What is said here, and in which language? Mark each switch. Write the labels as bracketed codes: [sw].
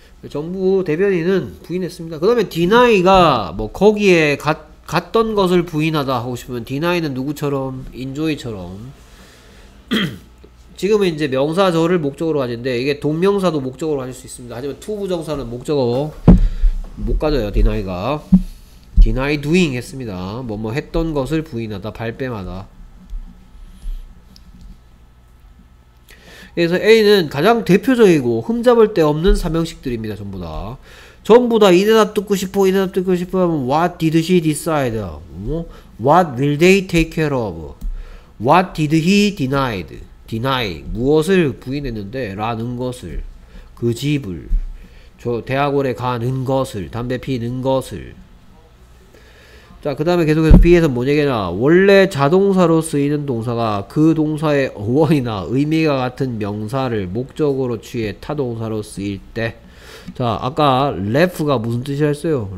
[ko] 정부 대변인은 부인했습니다. 그 다음에 deny가 뭐 거기에 갔던 것을 부인하다 하고 싶으면 deny는 누구처럼? enjoy처럼 지금은 이제 명사절을 목적으로 가진데 이게 동명사도 목적으로 가질 수 있습니다. 하지만 to 부정사는 목적어 못 가져요. deny가 deny doing 했습니다. 뭐뭐 했던 것을 부인하다 발뺌하다. 그래서 A는 가장 대표적이고 흠잡을 데 없는 삼형식들입니다. 전부 다 전부 다 이 대답 듣고 싶어 이 대답 듣고 싶어 하면 [en] What did she decide? What will they take care of? What did he denied? [ko] Deny 무엇을 부인했는데 라는 것을 그 집을 저 대학원에 가는 것을 담배 피는 것을. 자 그 다음에 계속해서 B에서 뭔 얘기냐 원래 자동사로 쓰이는 동사가 그 동사의 어원이나 의미가 같은 명사를 목적으로 취해 타동사로 쓰일 때 자 아까 laugh가 무슨 뜻이었어요?